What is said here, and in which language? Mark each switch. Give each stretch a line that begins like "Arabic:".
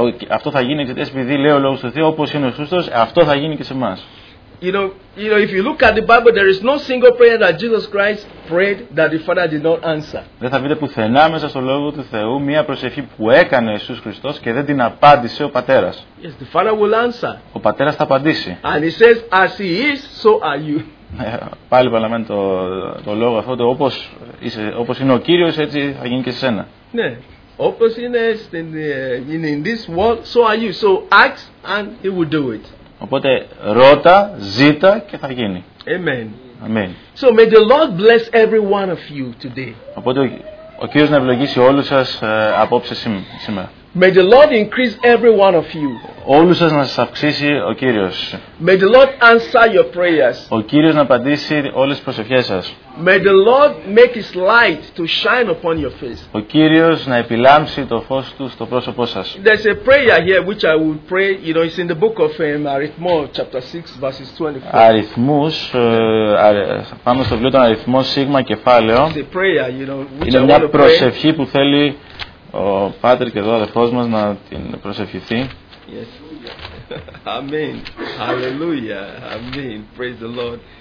Greek: Αυτό θα γίνει γιατί επειδή λέει ο λόγος του Θεού, όπως είναι ο Χριστός, αυτό θα γίνει και σε εμάς.
English: You know, if you look at the Bible, there is no single prayer that Jesus Christ prayed that the Father did not answer.
Greek: Δεν θα βρείτε πουθενά μέσα στο λόγο του Θεού μία προσευχή που έκανε ο Ιησούς Χριστός και δεν την απάντησε ο Πατέρας.
English: Yes, the Father will answer.
Greek: Ο Πατέρας θα απαντήσει.
English: And he says, as he is, so are you.
Greek: Πάλι παραμένει το λόγο αυτό, το όπως είναι ο Κύριος, έτσι θα γίνει και σε σένα.
English: Ναι,
Greek: όπως είναι
English: in this world, so are you. So ask and he will do it.
Greek: Οπότε ρώτα, ζήτα και θα γίνει.
English: Amen. Amen. So may the Lord bless every one of you today.
Greek: Οπότε ο Κύριος να ευλογήσει όλους σας απόψε σήμερα.
English: May the Lord increase every one of you.
Greek: Όλους σας να σας αυξήσει ο Κύριος.
English: May the Lord answer your prayers.
Greek: Ο Κύριος να απαντήσει όλες τις προσευχές σας.
English: May the Lord make his light to shine upon your face.
Greek: Ο Κύριος να επιλάμψει το φως του στο πρόσωπό σας.
English: There's a prayer here which I will pray. You know, it's in the book of Αριθμού, chapter 6, verses 24.
Greek: Αριθμούς, πάμε στο βιβλίο των Αριθμών, σίγμα κεφάλαιο.
English: It's a prayer, you know, which
Greek: είναι
English: I
Greek: μια προσευχή που θέλει ο Πάτερ και εδώ ο αδερφός μας να την προσευχηθεί.
English: Yes. Amen. Hallelujah. Amen. Praise the Lord.